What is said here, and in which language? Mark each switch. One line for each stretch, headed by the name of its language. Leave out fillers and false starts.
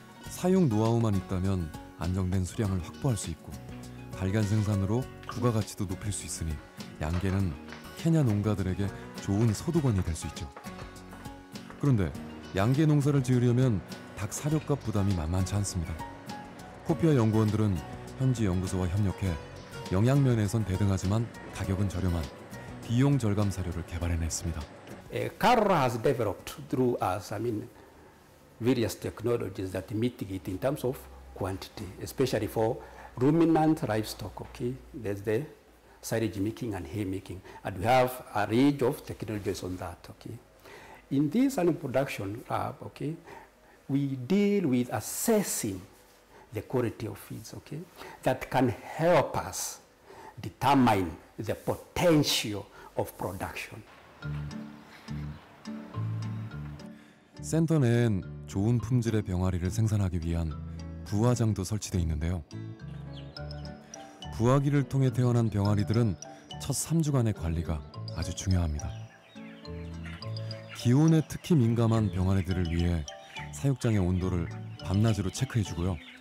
Korean: 사육 노하우만 있다면 안정된 수량을 확보할 수 있고 발간 생산으로 부가가치도 높일 수 있으니 양계는 케냐 농가들에게 좋은 소득원이 될 수 있죠. 그런데 양계 농사를 지으려면 닭 사료값 부담이 만만치 않습니다. 코피아 연구원들은 현지 연구소와 협력해 영양면에선 대등하지만 가격은 저렴한 비용 절감 사료를 개발해냈습니다.
English: Carola has developed through us, various technologies that mitigate in terms of quantity, especially for ruminant livestock, okay? There's the silage making and hay making, and we have a range of technologies on that, okay? In this animal production lab, okay, we deal with assessing the quality of feeds, okay? That can help us determine the potential of production.
Korean: 센터 내엔 좋은 품질의 병아리를 생산하기 위한 부화장도 설치되어 있는데요. 부화기를 통해 태어난 병아리들은 첫 3주간의 관리가 아주 중요합니다. 기온에 특히 민감한 병아리들을 위해 사육장의 온도를 밤낮으로 체크해주고요.